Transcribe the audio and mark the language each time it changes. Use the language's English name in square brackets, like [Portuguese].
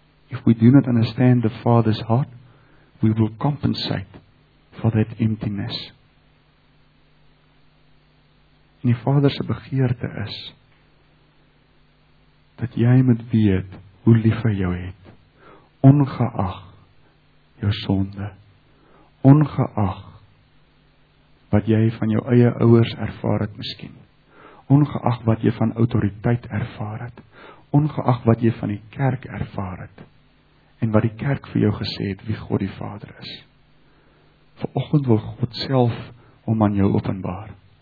[English] If we do not understand the Father's heart, we will compensate for that emptiness. [Afrikaans] En die Vader se begeerte is dat jy moet weet hoe lief hy jou het, ongeag jou sonde, ongeag wat jy van jou eie ouers ervaar het miskien, ongeag wat jy van autoriteit ervaar het, ongeag wat jy van die kerk ervaar het en wat die kerk vir jou gesê het wie God die Vader is. Vanoggend wil God self hom aan jou openbaar.